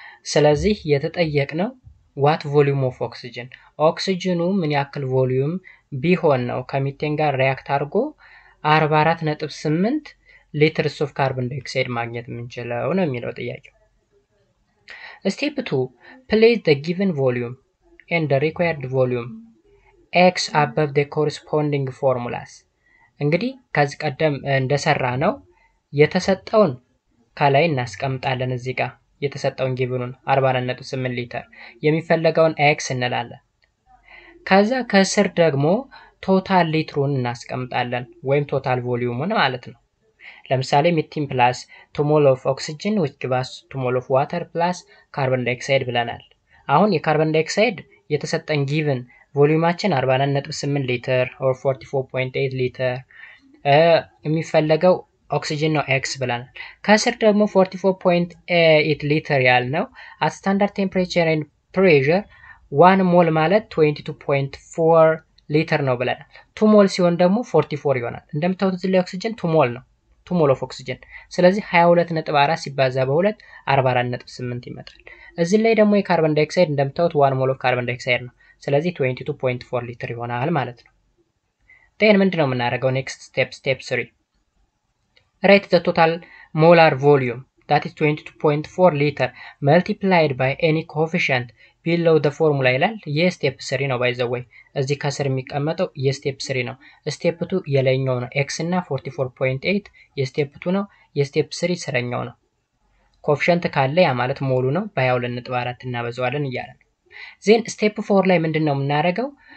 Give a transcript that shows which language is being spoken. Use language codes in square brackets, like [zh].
[am] ስለዚህ የተጠየቀነው [en] what volume of oxygen? [am] ኦክሲጅኑ ምን ያክል volume ቢሆን ነው ከmethane ጋር react አድርጎ 44.8 liters of carbon dioxide ማግኘት የምንችለው ነው የሚለው ጥያቄ. [en] Step 2, place the given volume and the required volume x above the corresponding formulas. [am] እንግዲህ ከዚህ ቀደም እንደሰራ ነው የተሰጠውን ካላይ እናስቀምጣለን. እዚህ ጋር የተሰጠውን ጊቨኑን 44.8 ሊትር የሚፈልገውን x እንላለን. ከዛ ከስር ደግሞ total ሊትሩን እናስቀምጣለን ወይም total volume ማለት ነው. ለምሳሌ methane plus 2 mole of oxygen [en] which gives 2 mole of water plus carbon dioxide [am] ብለናል. አሁን የካርቦን ዳይኦክሳይድ የተሰጠን ጊቭን ቮሊዩማችን 44.8 ሊትር or 44.8 ሊትር የሚፈልገው ኦክሲጅን ነው x ብለናል. ከስር ደግሞ 44.8 ሊትር ያልነው [en] at standard temperature and pressure [am] 1 mole ማለት 22.4 ሊትር ነው ብለናል. 2 mole ሲሆን ደግሞ 44 ይሆናል. እንደምታውቁት እዚህ ላይ ኦክሲጅን 2 mole ነው. [en] 2 mole of oxygen. [am] ስለዚህ 22.4 ሲባዛ በ2 44.8 ይመጣል. እዚህ ላይ ደግሞ የካርቦን ዳይኦክሳይድ እንደምታውቁት [en] 1 mole of carbon dioxide [am] ነው. ስለዚህ 22.4 ሊትር ይሆናል ማለት ነው። ቴን ምንድነው የምናረጋው? [en] next step step 3 write the total molar volume that is 22.4 liter multiplied by any coefficient below the formula [am] ይላል። [en] yes step 3 ነው by the way [am] እዚህ ከስር የሚቀመጠው [en] yes step 3 ነው። step 2 [am] የለኛው ነው [en] x እና 44.8 yes step 2 ነው። yes step 3 [am] ስረኛው ነው። [en] coefficient [am] ካለ ያ ማለት ሞሉ ነው በ22.4 እና በዛውለን ይያላል። [en] then step 4 [am] ላይ ምንድነው የምናረጋው?